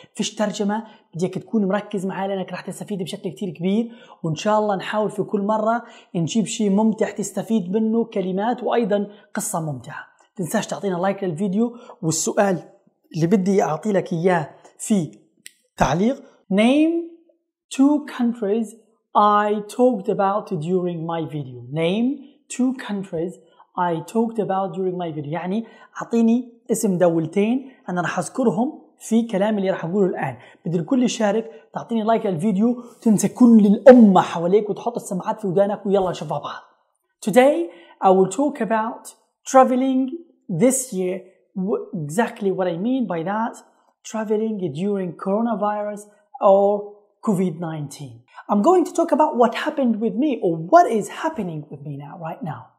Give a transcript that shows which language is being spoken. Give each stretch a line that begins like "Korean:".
Arabic: فيش ترجمة، بديك تكون مركز معايا لأنك راح تستفيد بشكل كتير كبير، وإن شاء الله نحاول في كل مرة نجيب شيء ممتع تستفيد منه، كلمات وأيضا قصة ممتعة. تنساش تعطينا لايك للفيديو، والسؤال اللي بدي أعطي لك إياه في تعليق:
English: Name two countries I talked about during my video. Name two countries I talked about during my video.
Arabic: يعني أعطيني اسم دولتين أنا راح أذكرهم في كلام اللي راح أقوله الآن. بدل كل شارك تعطيني لايك للفيديو، تنسى كل الأمة حواليك وتحط السماعات في ودانك، ويلا نشوف بعض.
English: Today I will talk about traveling this year. Exactly what I mean by that: traveling during coronavirus or COVID-19. I'm going to talk about what happened with me, or what is happening with me now, right now.